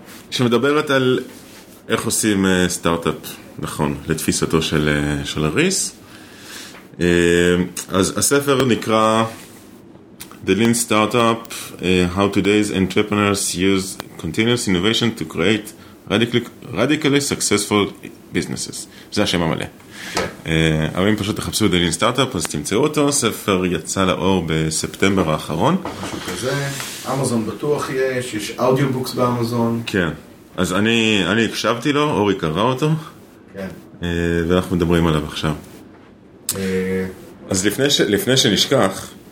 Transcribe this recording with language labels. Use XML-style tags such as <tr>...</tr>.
<he>שמדברת על איך עושים סטארט-אפ, נכון, לתפיסתו של, של הריס. אז הספר נקרא...</he> <en>The Lean Startup, How Today's Entrepreneurs Use Continuous Innovation to Create Radically Successful Businesses.</en> <he>זה השם המלא. אבל אם פשוט תחפשו The Lean Startup, אז תמצאו אותו. ספר יצא לאור בספטמבר האחרון. משהו כזה. אמזון בטוח יש, יש אודיובוקס באמזון. כן. אז אני הקשבתי לו, אורי קרא אותו. כן. ואנחנו מדברים עליו עכשיו. אז לפני שנשכח...</he>